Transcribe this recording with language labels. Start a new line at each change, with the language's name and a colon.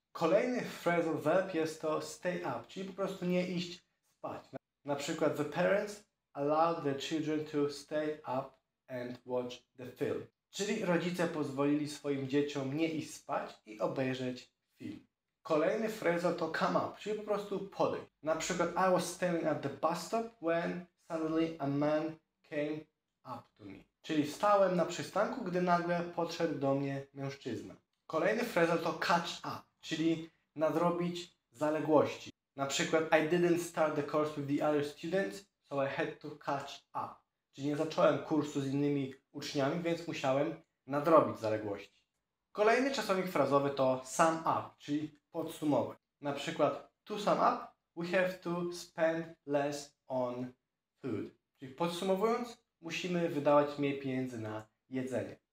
Polish: Kolejny phrasal verb jest to stay up, czyli po prostu nie iść spać. Na przykład
English: the parents allowed the children to stay up and watch the film.
Polish: Czyli rodzice pozwolili swoim dzieciom nie iść spać i obejrzeć film. Kolejny phrasal to come up, czyli po prostu podejść. Na przykład
English: I was standing at the bus stop when suddenly a man came up to me.
Polish: Czyli stałem na przystanku, gdy nagle podszedł do mnie mężczyzna. Kolejny phrasal to catch up, czyli nadrobić zaległości. Na przykład,
English: I didn't start the course with the other students, so I had to catch up.
Polish: Czyli nie zacząłem kursu z innymi uczniami, więc musiałem nadrobić zaległości. Kolejny czasownik frazowy to sum up, czyli podsumować. Na przykład,
English: to sum up, we have to spend less on food.
Polish: Czyli podsumowując, musimy wydawać mniej pieniędzy na jedzenie.